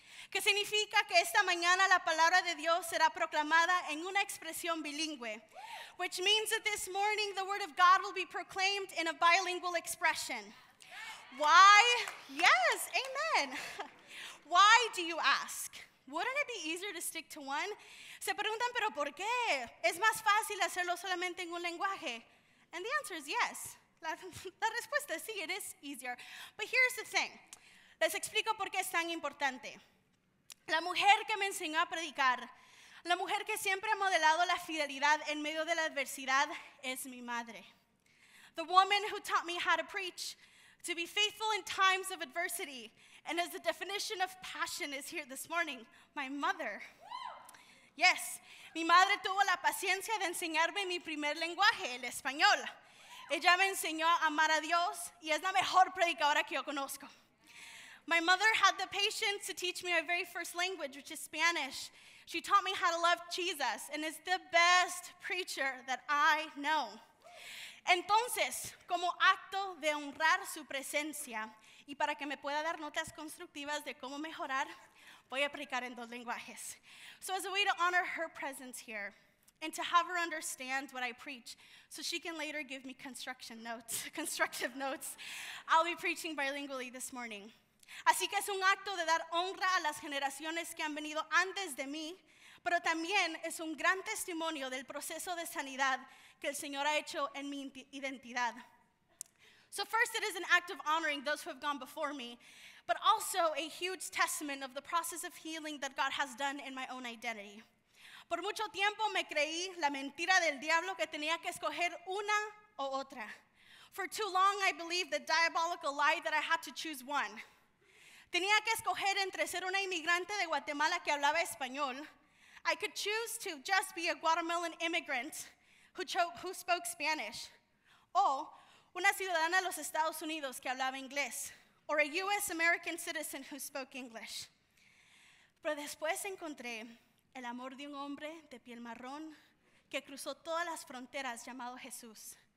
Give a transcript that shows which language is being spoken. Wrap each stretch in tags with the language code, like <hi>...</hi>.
<es>Que significa que esta mañana la palabra de Dios será proclamada en una expresión bilingüe.</es> <en>Which means that this morning the word of God will be proclaimed in a bilingual expression. Why? Yes, amen. Why do you ask? Wouldn't it be easier to stick to one?</en> <es>Se preguntan, pero ¿por qué? ¿Es más fácil hacerlo solamente en un lenguaje?</es> <en>And the answer is yes.</en> <es>La respuesta es sí,</es> <en>it is easier. But here's the thing.</en> <es>Les explico por qué es tan importante. La mujer que me enseñó a predicar, la mujer que siempre ha modelado la fidelidad en medio de la adversidad, es mi madre.</es> <en>The woman who taught me how to preach, to be faithful in times of adversity, and as the definition of passion is here this morning, my mother.</en> <es>Yes, mi madre tuvo la paciencia de enseñarme mi primer lenguaje, el español. Ella me enseñó a amar a Dios y es la mejor predicadora que yo conozco.</es> <en>My mother had the patience to teach me my very first language, which is Spanish. She taught me how to love Jesus and is the best preacher that I know.</en> <es>Entonces, como acto de honrar su presencia y para que me pueda dar notas constructivas de cómo mejorar, voy a predicar en dos lenguajes.</es> <en>So as a way to honor her presence here and to have her understand what I preach so she can later give me constructive notes, I'll be preaching bilingually this morning.</en> <es>Así que es un acto de dar honra a las generaciones que han venido antes de mí, pero también es un gran testimonio del proceso de sanidad que el Señor ha hecho en mi identidad.</es> <en>So first, it is an act of honoring those who have gone before me, but also a huge testament of the process of healing that God has done in my own identity.</en> <es>Por mucho tiempo me creí la mentira del diablo que tenía que escoger una o otra.</es> <en>For too long, I believed the diabolical lie that I had to choose one.</en> <es>Tenía que escoger entre ser una inmigrante de Guatemala que hablaba español.</es> <en>I could choose to just be a Guatemalan immigrant who spoke Spanish.</en> <es>O una ciudadana de los Estados Unidos que hablaba inglés.</es> <en>Or a U.S. American citizen who spoke English.</en> <es>Pero después encontré el amor de un hombre de piel marrón que cruzó todas las fronteras llamado Jesús.</es>